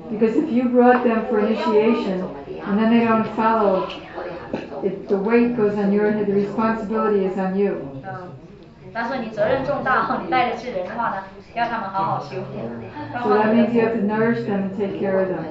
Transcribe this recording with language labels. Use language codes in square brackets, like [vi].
[en] Because if you brought them for initiation, and then they don't follow,If the weight goes on your head, the responsibility is on you. [zh] 但是你责任重大，你带着去人的话呢，要他们好好修。 [en] So that means you have to nourish them and take care of them.